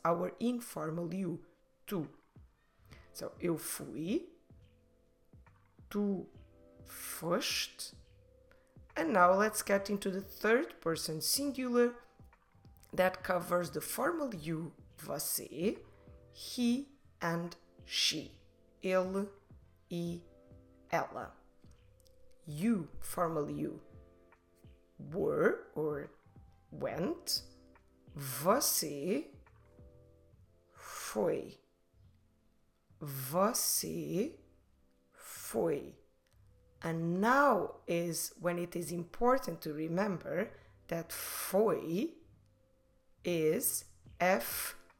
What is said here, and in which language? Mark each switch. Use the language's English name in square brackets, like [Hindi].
[English] Our informal you, [Portuguese] tu. So, eu fui, tu foste. [English] And now let's get into the third person singular that covers the formal you, você, he and she, [Portuguese] ele e ela. [English] You, formal you, were or went, [Portuguese] você foi, você foi. [English] And now is when it is important to remember that foi is F-O-E.